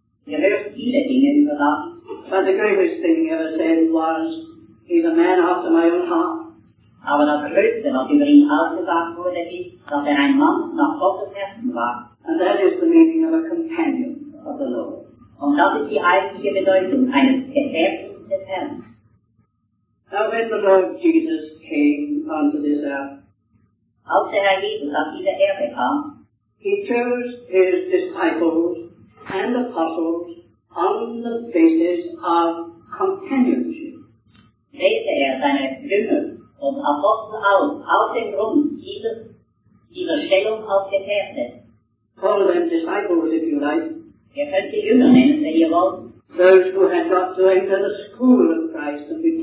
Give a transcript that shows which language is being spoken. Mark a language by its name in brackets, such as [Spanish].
[English] But the greatest thing he ever said was, he's a man after my own heart. And that is the meaning of a companion of the Lord. [German] Und das ist die eigentliche Bedeutung eines Gefährten des Herrn. [English] Now when the Lord Jesus came onto this earth, [German] als der Herr Jesus auf dieser Erde kam, [English] he chose his disciples and apostles on the basis of companionship. [German] Wählte er seine Jünger und Apostel aus dem Grund dieser Stellung als Gefährte. [English] Call them disciples if you like. Those who had got to enter the school of Christ and be